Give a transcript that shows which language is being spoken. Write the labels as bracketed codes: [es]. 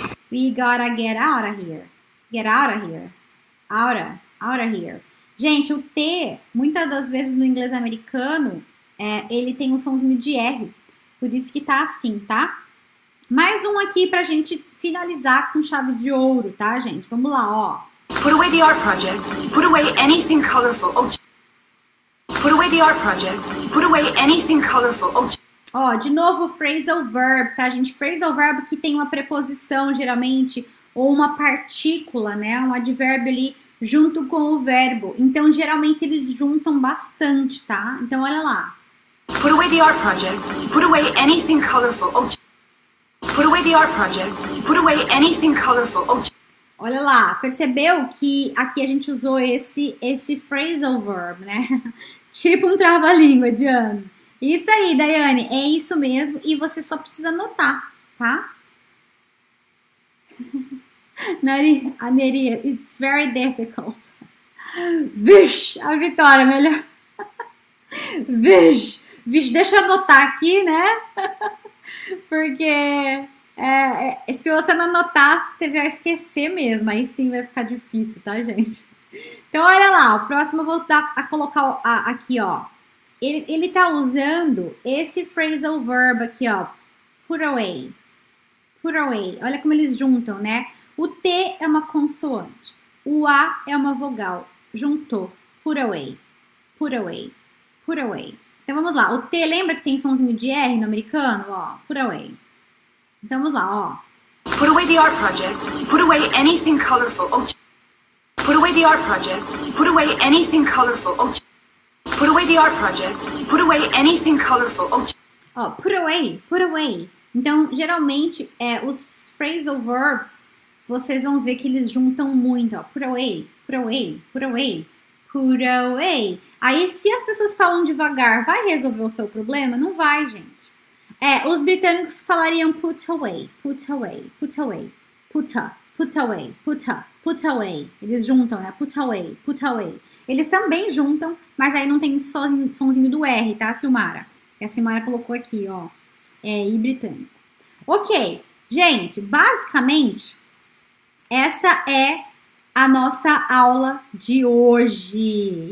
[en] We gotta get out of here. Get out of here. Outa. Outa here. [pt] Gente, o T, muitas das vezes no inglês americano, ele tem um somzinho de R. Por isso que tá assim, tá? Mais um aqui pra gente finalizar com chave de ouro, tá, gente? Vamos lá, ó. [en] Put away the art project. Put away anything colorful. Put away the art project. Put away anything colorful. [pt] Ó, de novo, phrasal verb, tá, gente? Phrasal verb que tem uma preposição, geralmente, ou uma partícula, né? Um advérbio ali junto com o verbo. Então, geralmente, eles juntam bastante, tá? Então, olha lá. [en] Put away the art project. Put away anything colorful. Put away the art project. Put away anything colorful. [pt] Olha lá, percebeu que aqui a gente usou esse phrasal verb, né? Tipo um trava-língua, Diane. Isso aí, Daiane, é isso mesmo. E você só precisa anotar, tá? [en] Nari, a Neri, it's very difficult. [pt] Vish, a Vitória, melhor. Vish. Vish, deixa eu anotar aqui, né? Porque se você não anotar, você vai esquecer mesmo. Aí sim vai ficar difícil, tá, gente? Então, olha lá, o próximo eu vou colocar aqui, ó. Ele tá usando esse phrasal verb aqui, ó. [en] Put away. Put away. [pt] Olha como eles juntam, né? O T é uma consoante. O A é uma vogal. Juntou. [en] Put away. Put away. Put away. [pt] Então vamos lá. O T, lembra que tem somzinho de R no americano? Ó, put away. Então vamos lá, ó. [en] Put away the art project. Put away anything colorful. Put away the art project. Put away anything colorful. Put away the art project. Put away anything colorful. Ó, put away. Put away. [pt] Então, geralmente, os phrasal verbs, vocês vão ver que eles juntam muito, ó. [en] Put away, put away, put away, put away. [pt] Aí, se as pessoas falam devagar, vai resolver o seu problema? Não vai, gente. Os britânicos falariam [en] put away, put away, put away, put away, put away, put away, put away. [pt] Eles juntam, né? [en] Put away, put away. [pt] Eles também juntam, mas aí não tem sonzinho do R, tá, Silmara? Que a Silmara colocou aqui, ó. E britânico. Ok, gente, basicamente, essa é a nossa aula de hoje.